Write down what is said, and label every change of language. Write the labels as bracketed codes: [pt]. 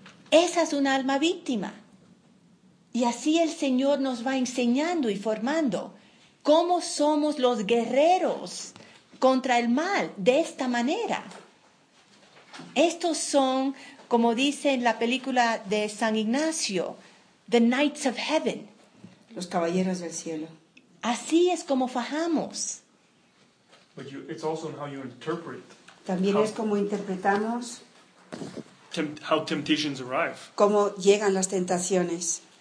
[es] Esa es una alma víctima. Y así el Señor nos va enseñando y formando cómo somos los guerreros contra el mal de esta manera. Estos son, como dice en la película de San Ignacio, [en] The Knights of Heaven. [es] Los caballeros del cielo. Así es como fajamos. [en] But it's also in how you interpret. [es] También es como interpretamos [en] how temptations arrive. [es] Cómo llegan las tentaciones.